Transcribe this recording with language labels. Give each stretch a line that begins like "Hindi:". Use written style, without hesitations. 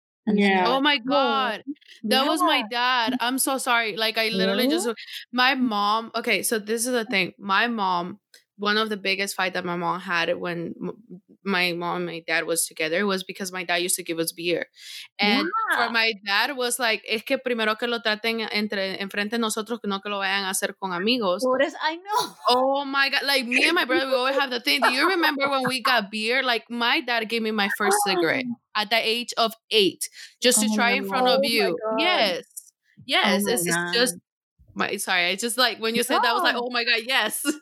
English: Yeah. Oh my God. That was my dad. I'm so sorry. Like, I literally my mom. Okay. So this is the thing. My mom, one of the biggest fights that my mom had when my mom and my dad was together was because my dad used to give us beer. And for my dad was like,
Spanish: es que primero que lo traten enfrente de nosotros, no que lo vayan a hacer con amigos.
English: I know. Oh my God. Like, me and my brother, we always have the thing. Do you remember when we got beer? Like, my dad gave me my first cigarette. At the age of 8, just to try in front of you. Yes. Yes. Oh, it's just my, sorry. It's just like when you said that, I was like, oh my God, yes.